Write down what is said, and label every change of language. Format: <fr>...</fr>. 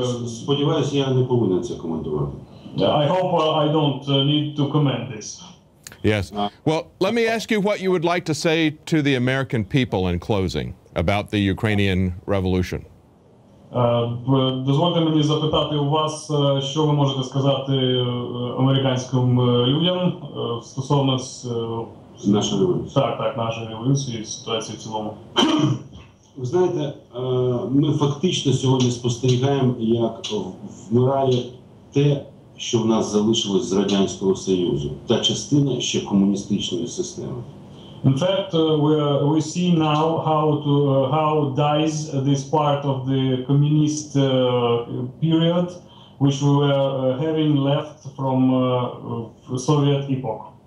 <uk>Сподіваюсь, я не повинен це коментувати.</uk> <en>I hope I don't need to comment this. Yes. Well, let me ask you what you would like to say to the American people in closing about the Ukrainian revolution.</en> <uk>Дозвольте мені запитати у вас, що ви можете сказати американським людям стосовно нашої революції. Так, нашої революції, ситуації в цілому. Ви знаєте, ми фактично сьогодні спостерігаємо, як вмирає те, що в нас залишилось з Радянського Союзу, та частина ще комуністичної системи.</uk> <en>In fact, we see now how dies this part of the communist period, which we were having left from Soviet epoch.</en>